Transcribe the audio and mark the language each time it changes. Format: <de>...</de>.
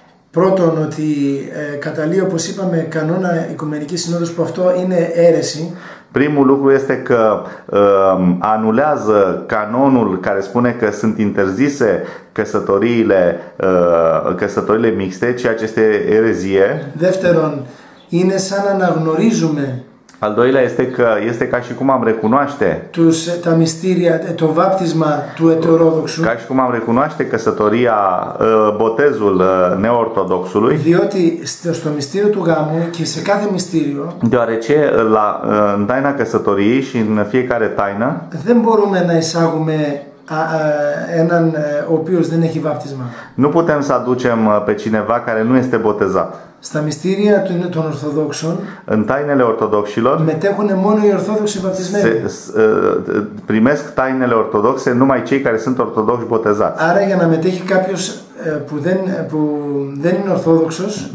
<el>Πρώτον, ότι καταλύει, όπως είπαμε, κανόνα Οικουμενικής Συνόδου που αυτό είναι αίρεση.</el> <ro>Primul lucru este că anulează canonul care spune că sunt interzise căsătoriile mixte, ceea ce este erezie.</ro> <el>Δεύτερον, είναι σαν να αναγνωρίζουμε.</el> <ro>Al doilea este că este ca și cum am recunoaște</ro> <el>τα μυστήρια, το βάπτισμα του ετερόδοξου.</el> <ro>Ca și cum am recunoaște căsătoria, botezul neortodoxului.</ro> <el>Διότι στο μυστήριο του γάμου και σε κάθε μυστήριο.</el> <ro>Deoarece la taina căsătoriei și în fiecare taină.</ro> <el>Δεν μπορούμε να εισάγουμε έναν ο οποίος δεν έχει βάπτισμα.</el> <ro>Nu putem să aducem pe cineva care nu este botezat.</ro> <el>Στα μυστήρια των Ορθοδόξων.</el> <ro>În tainele ortodoxilor.</ro> <el>Μετέχουν μόνο οι Ορθόδοξοι βαπτισμένοι.</el> <ro>Primesc tainele ortodoxe numai cei care sunt ortodoxi botezați.</ro> <el>Άρα για να μετέχει κάποιος που δεν είναι ορθόδοξος.</el>